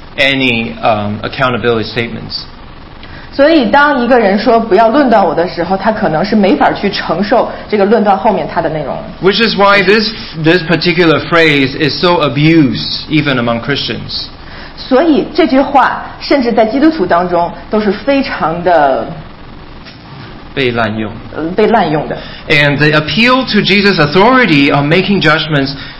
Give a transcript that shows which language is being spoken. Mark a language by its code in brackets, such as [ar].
[en] Any accountability statements. [zh] 所以当一个人说不要论断我的时候，他可能是没法去承受这个论断后面他的内容。 [en] Which is why this particular phrase is so abused even among Christians. [zh] 所以这句话甚至在基督徒当中都是非常的被滥用。被滥用的。 [en] And the appeal to Jesus' authority on making judgments.